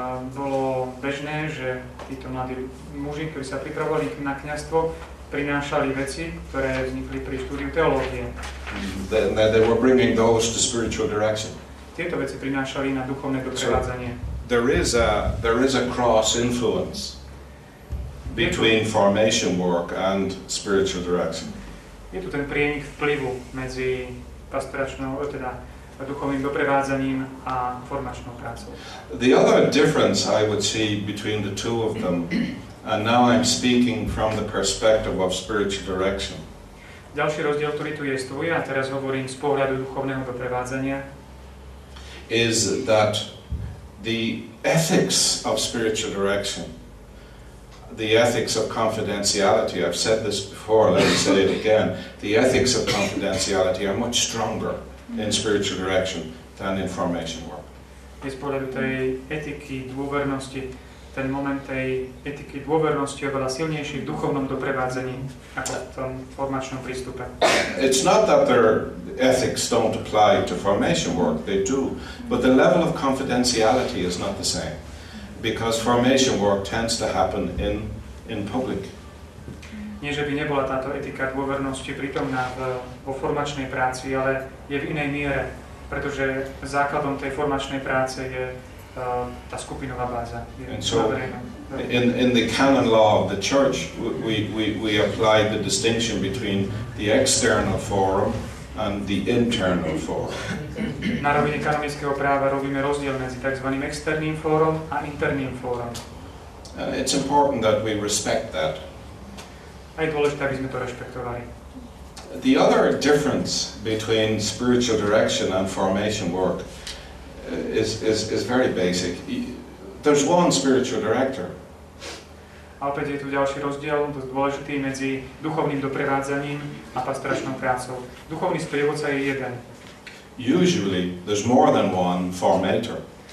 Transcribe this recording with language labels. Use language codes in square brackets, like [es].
[sk] Bolo bežné, že títo mladí muži, ktorí sa pripravovali na kňazstvo, prinášali veci, ktoré vznikli pri štúdiu teológie. [en] They were bringing those to spiritual direction. [sk] Tieto veci prinášali na duchovné doprevádzanie. [en] There is a cross influence between formation work and spiritual direction. [sk] Je tu ten prienik vplyvu medzi pastoračnou, teda duchovným doprevádzaním a formačnou prácou. [en] The other difference I would see between the two of them, and now I'm speaking from the perspective of spiritual direction. [sk] Ďalší rozdiel, ktorý tu jest, a teraz hovorím z pohľadu duchovného doprevádzania, [en] is that the ethics of spiritual direction, the ethics of confidentiality, I've said this before, let me say it again, the ethics of confidentiality are much stronger in spiritual direction than in formation work. [sk] Je z pohľadu tej etiky dôvernosti, ten moment tej etiky dôvernosti je veľa silnejší v duchovnom doprevádzení ako v tom formačnom prístupe. [en] It's not that their ethics don't apply to formation work, they do, but the level of confidentiality is not the same, because formation work tends to happen in public. [sk] Nie, že by nebola táto etika dôvernosti prítomná vo formačnej práci, ale je v inej miere, pretože základom tej formačnej práce je tá skupinová báza. [en] In the canon law of the church, we apply the distinction between the external forum and the internal forum. [sk] Na rovine kanonického práva robíme rozdiel medzi tzv. Externým fórom a interným fórom. [en] It's important that we respect that. [sk] A je dôležité, aby sme to rešpektovali. [en] The other difference between spiritual direction and formation work is very basic. There's one spiritual director. [sk] A opäť je tu ďalší rozdiel, dosť dôležitý, medzi duchovným doprevádzaním a pastoračnou prácou. Duchovný sprievodca je jeden. [en] Usually there's more than one formator.